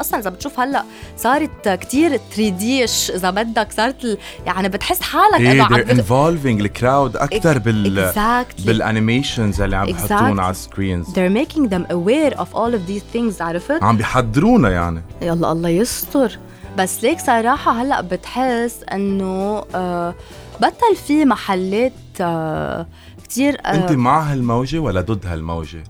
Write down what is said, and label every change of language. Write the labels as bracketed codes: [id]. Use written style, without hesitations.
[ar] أصلا إذا بتشوف هلأ صارت كتير 3D إذا بدك، صارت يعني بتحس حالك إيه [en] they're involving the crowd [ar] أكثر بالانيميشنز اللي عم بحطون على screens. [en] They're making them aware of all of these things, [ar] عرفت؟ عم بيحضرونا يعني. يلا الله يستر. بس ليك صراحة هلأ بتحس أنه بطل في محلات كتير. أنت مع هالموجة ولا ضد هالموجة؟